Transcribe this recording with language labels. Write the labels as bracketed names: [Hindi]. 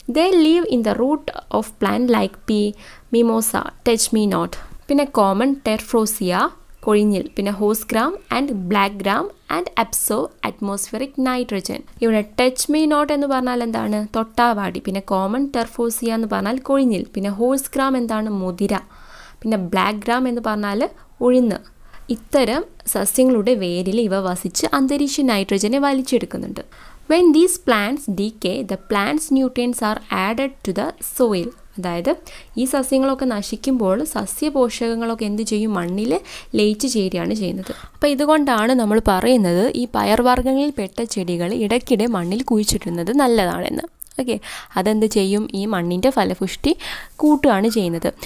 [English] They live in the root of plant like pea, mimosa, touch me not, പിന്നെ common tephrosia, കൊഴിഞ്ഞിൽ, പിന്നെ horse gram and black gram and absorb atmospheric nitrogen. [Malayalam] ഇവിടെ touch me not എന്ന് പറഞ്ഞാൽ എന്താണ്, തൊട്ടാവാടി. പിന്നെ common ടെർഫ്രോസിയ എന്ന് പറഞ്ഞാൽ കൊഴിഞ്ഞിൽ. പിന്നെ ഹോസ് ഗ്രാം എന്താണ്, മുതിര. പിന്നെ ബ്ലാക്ക് ഗ്രാം എന്ന് പറഞ്ഞാൽ ഉഴുന്ന്. ഇത്തരം സസ്യങ്ങളുടെ വേരിൽ ഇവ വസിച്ച് അന്തരീക്ഷ നൈട്രജനെ വലിച്ചെടുക്കുന്നുണ്ട്. [English] When these plants decay, the plants' nutrients are added to the soil. [Malayalam] അതായത് ഈ സസ്യങ്ങളൊക്കെ നശിക്കുമ്പോൾ സസ്യപോഷകങ്ങളൊക്കെ എന്ത് ചെയ്യും, മണ്ണിൽ ലയിച്ചു ചേരുകയാണ് ചെയ്യുന്നത്. അപ്പോൾ ഇതുകൊണ്ടാണ് നമ്മൾ പറയുന്നത് ഈ പയർ വർഗ്ഗങ്ങളിൽ പെട്ട ചെടികൾ ഇടയ്ക്കിടെ മണ്ണിൽ കുഴിച്ചിടുന്നത് നല്ലതാണെന്ന്. ഓക്കെ, അതെന്ത് ചെയ്യും, ഈ മണ്ണിൻ്റെ ഫലപുഷ്ടി കൂട്ടുകയാണ് ചെയ്യുന്നത്.